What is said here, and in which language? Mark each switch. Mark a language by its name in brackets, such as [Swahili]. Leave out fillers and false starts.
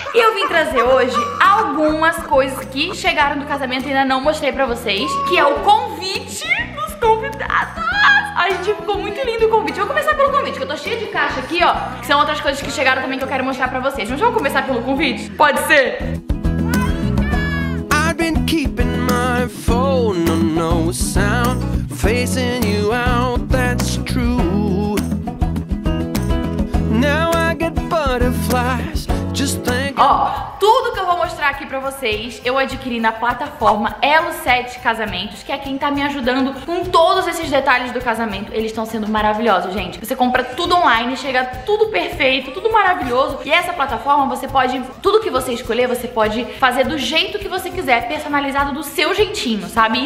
[Portuguese] E eu vim trazer hoje algumas coisas que chegaram do casamento e ainda não mostrei pra vocês, que é o convite dos convidados. A gente ficou muito lindo o convite. Vou começar pelo convite, que eu tô cheia de caixa aqui, ó. Que são outras coisas que chegaram também que eu quero mostrar pra vocês. Mas vamos começar pelo convite? Pode ser? [English] I've been keeping my phone on no sound, facing you out, that's true. Now I get butterflies, just think. [Portuguese] Ó, tudo que eu vou mostrar aqui pra vocês, eu adquiri na plataforma Elo7 Casamentos, que é quem tá me ajudando com todos esses detalhes do casamento. Eles estão sendo maravilhosos, gente. Você compra tudo online, chega tudo perfeito, tudo maravilhoso. E essa plataforma, você pode, tudo que você escolher, você pode fazer do jeito que você quiser, personalizado do seu jeitinho, sabe?